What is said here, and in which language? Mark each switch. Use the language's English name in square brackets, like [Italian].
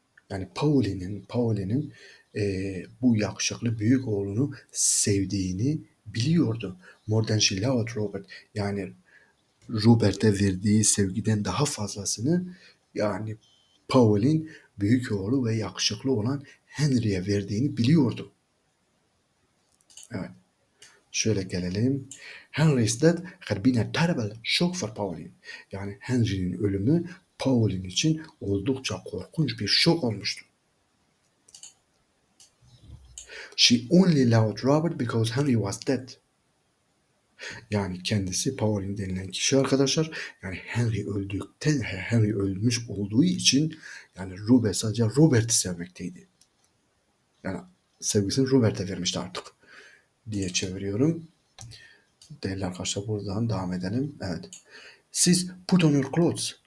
[Turkish] Yani Pauline'in bu yakışıklı büyük oğlunu sevdiğini biliyordu. [English] More than she loved Robert. [Turkish] Yani Robert'e verdiği sevgiden daha fazlasını, yani Pauline büyük oğlu ve yakışıklı olan Henry'e verdiğini biliyordu. Evet. Şöyle gelelim. [English] Henry's death had been a terrible shock for Pauline. [Turkish] Yani Henry'nin ölümü Pauline için oldukça korkunç bir şok olmuştu. [English] She only loved Robert because Henry was dead. [Turkish] Yani kendisi Pauline denilen kişi arkadaşlar. Yani Henry ölmüş olduğu için yani Robert sadece Robert'i sevmekteydi. Yani sevgisini Robert'e vermişti artık diye çeviriyorum. Değerli arkadaşlar buradan devam edelim. Evet. [English] Sis put on your clothes.